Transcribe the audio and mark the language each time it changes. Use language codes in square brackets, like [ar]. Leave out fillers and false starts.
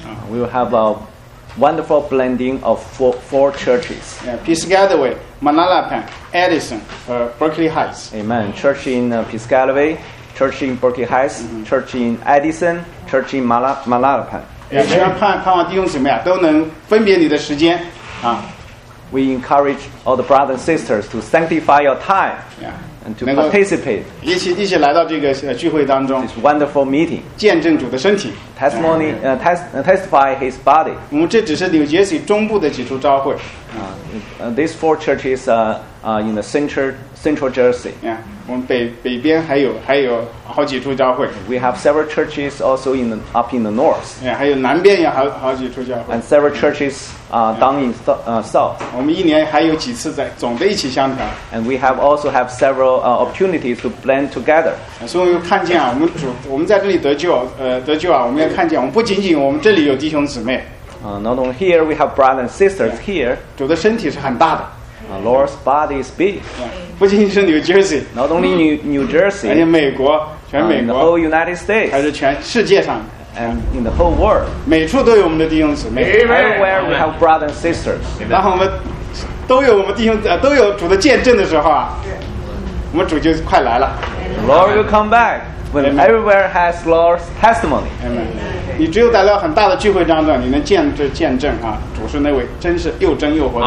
[en] We will have a wonderful blending of four churches. Yeah, Piscataway, Manalapan, Edison, Berkeley Heights. Amen. Church in Piscataway, church in Berkeley Heights, church in Edison, church in Manalapan. [zh] 盼望弟兄姊妹啊，都能分别你的时间啊。 [en] We encourage all the brothers and sisters to sanctify your time and to participate. [zh] 一起来到这个聚会当中。 [en] This wonderful meeting. [zh] 见证主的身体。 [en] Testimony, testify his body. [zh] 我们这只是纽约中部的几处召会。 [en] These four churches are in the Central Jersey. [zh] Yeah, 我们北边还有好几处教会。 [en] We have several churches also in the, up in the north. [zh] Yeah, 还有南边也好几处教会。 [en] And several churches down in south. [zh] 我们一年还有几次在总的一起相谈。 [en] And we have also have several opportunities to blend together. [zh] 所以我们看见啊，我们在这里得救啊，我们要看见，我们不仅仅我们这里有弟兄姊妹。 [en] Not only here we have brothers and sisters here. [zh] 主的身体是很大的。 [en] Lord's body is big. [zh] 不仅仅是 New Jersey. [en] Not only New Jersey. [zh] 而且美国，全美国。 [en] The whole United States. [zh] 还是全世界上。 [en] And in the whole world. [zh] 每处都有我们的弟兄姊妹。 [en] Everywhere we have brothers and sisters. [zh] 然后都有主的见证的时候啊，我们主就快来了。 [en] Lord will come back when everywhere has Lord's testimony. Amen. [zh] 你只有在了很大的聚会当中，你能见证啊，主是那位真是又真又活的。